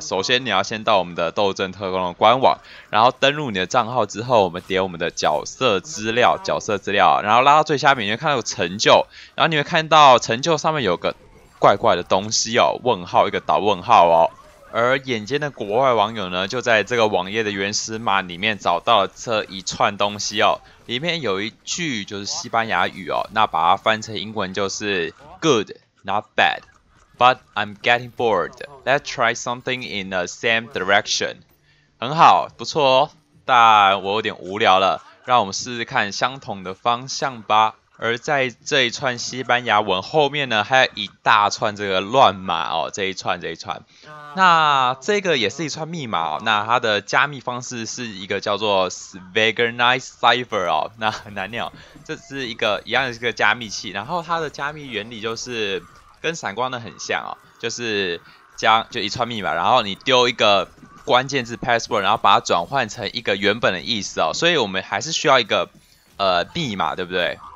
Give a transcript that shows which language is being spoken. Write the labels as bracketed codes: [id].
[zh] 首先你要先到我们的斗阵特工的官网，然后登录你的账号之后，我们点我们的角色资料，然后拉到最下面，你会看到有成就，然后你会看到成就上面有个怪怪的东西哦，问号，一个导问号哦。而眼尖的国外网友呢，就在这个网页的原始码里面找到了这一串东西哦，里面有一句就是西班牙语哦，那把它翻成英文就是 [en] Good, not bad, but I'm getting bored. Let's try something in the same direction. [zh] 很好，不错哦，但我有点无聊了，让我们试试看相同的方向吧。而在这一串西班牙文后面呢，还有一大串这个乱码哦，这一串。那这个也是一串密码哦，那它的加密方式是一个叫做 Swagnite Cipher 哦，那很难念哦，这是一个一样的一个加密器，然后它的加密原理就是跟闪光的很像哦，就是就一串密码，然后你丢一个关键字 password， 然后把它转换成一个原本的意思哦，所以我们还是需要一个密码，对不对？